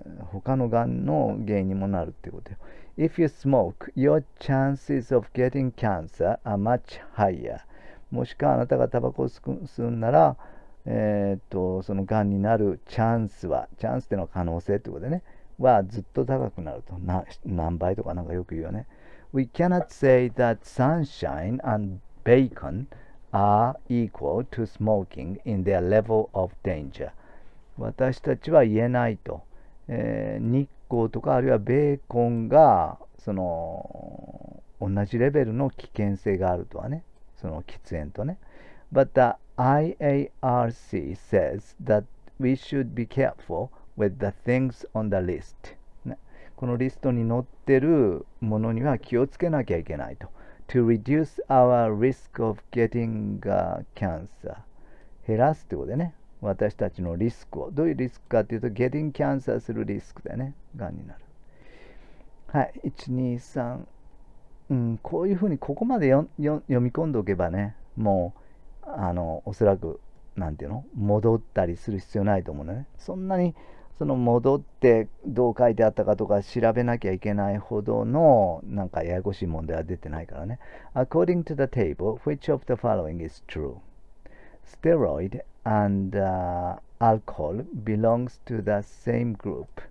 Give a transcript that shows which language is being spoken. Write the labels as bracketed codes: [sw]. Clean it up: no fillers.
[ja] 他のがんの原因にもなるってことよ。 [en] If you smoke, your chances of getting cancer are much higher。 [ja] もしくはあなたがタバコを吸うなら、そのがんになるチャンスは、チャンスっていうのは可能性ってことでね、はずっと高くなると、何倍とかなんかよく言うよね。 [en] We cannot say that sunshine and bacon are equal to smoking in their level of danger. [ja] 私たちは言えないと。日光とかあるいはベーコンが、同じレベルの危険性があるとはね。その喫煙とね。 [en] But the IARC says that we should be careful with the things on the list.、 [ja] ね、このリストに載ってるものには気をつけなきゃいけないと。 [en] To reduce our risk of getting cancer. [ja] 減らすってことでね。私たちのリスクを。どういうリスクかっていうと、 [en] getting cancer [ja] するリスクでね。がんになる。はい。 1、2、3。 うん。こういうふうに、ここまで読み込んでおけばね、もう、おそらく、なんていうの？戻ったりする必要ないと思うね。そんなに、戻ってどう書いてあったかとか調べなきゃいけないほどの、なんかややこしい問題は出てないからね。 [en] According to the table, which of the following is true? Steroid and alcohol belongs to the same group.